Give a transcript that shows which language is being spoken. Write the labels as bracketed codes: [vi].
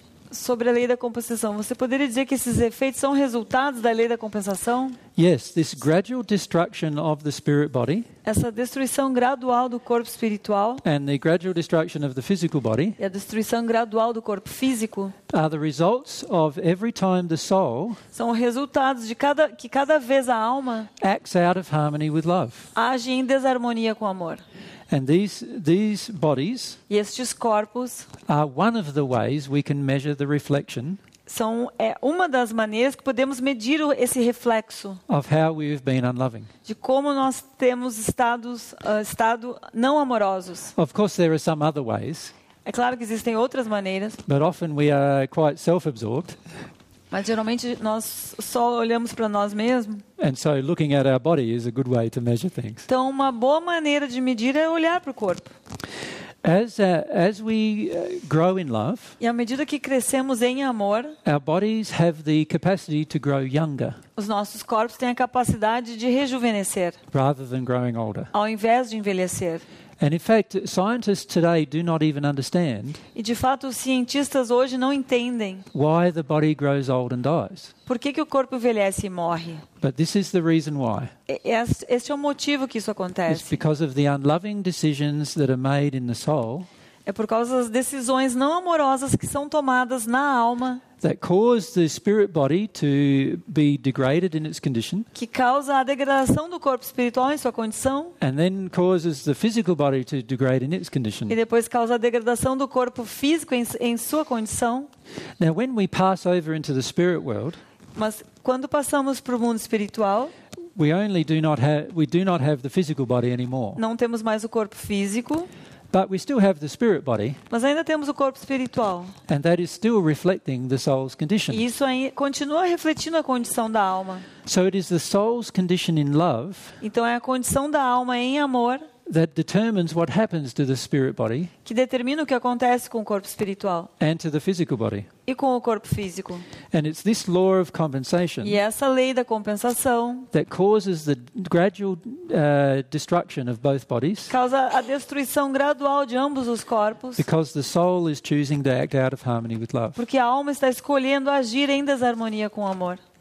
[pt] Sobre a lei da compensação, você poderia dizer que esses efeitos são resultados da lei da compensação? [en] Yes, this gradual destruction of the spirit body. [pt] Essa destruição gradual do corpo espiritual. [en] And the gradual destruction of the physical body. [pt] E a destruição gradual do corpo físico. [en] Are the results of every time the soul. [pt] São resultados de cada vez a alma. [en] Acts out of harmony with love. [pt] Age em desarmonia com o amor. [en] And these bodies. [pt] E estes corpos. [en] Are one of the ways we can measure the reflection. [pt] São uma das maneiras que podemos medir esse reflexo [en] of how we've been unloving. [pt] De como nós temos estado não amorosos. [en] Of course, there are some other ways. [pt] É claro que existem outras maneiras. [en] But often we are quite self-absorbed. [pt] Mas geralmente nós só olhamos para nós mesmos. [en] And so looking at our body is a good way to measure things. [pt] Então, uma boa maneira de medir é olhar para o corpo. [en] As we grow in love, [pt] e à medida que crescemos em amor, [en] our bodies have the capacity to grow younger. [pt] Os nossos corpos têm a capacidade de rejuvenescer, [en] rather than growing older. [pt] Ao invés de envelhecer. [en] And in fact, scientists today do not even understand. [pt] E de fato, os cientistas hoje não entendem. [en] Why the body grows old and dies? [pt] Por que o corpo envelhece e morre? [en] But this is the reason why. [pt] Este é o motivo que isso acontece. [en] It's because of the unloving decisions that are made in the soul. [pt] É por causa das decisões não amorosas que são tomadas na alma. [en] That caused the spirit body to be degraded in its condition. [pt] Que causa a degradação do corpo espiritual em sua condição. [en] And then causes the physical body to degrade in its condition. [pt] E depois causa a degradação do corpo físico em sua condição. [en] Now, when we pass over into the spirit world, [pt] mas quando passamos para o mundo espiritual, [en] we do not have the physical body anymore. [pt] Não temos mais o corpo físico. [en] But we still have the spirit body. [pt] Mas ainda temos o corpo espiritual. [en] And that is still reflecting the soul's condition. [pt] E isso aí continua refletindo a condição da alma. [en] So it is the soul's condition in love. [pt] Então é a condição da alma em amor. [en] That determines what happens to the spirit body. [pt] Que determina o que acontece com o corpo espiritual. [en] And to the physical body. [pt] E com o corpo físico. [en] And it's this law of compensation. [pt] E essa lei da compensação. [en] That causes the gradual destruction of both bodies. [pt] Causa a destruição gradual de ambos os corpos. [en] Because the soul is choosing to act out of harmony with love. [pt] Porque a alma está escolhendo agir em desarmonia com o amor.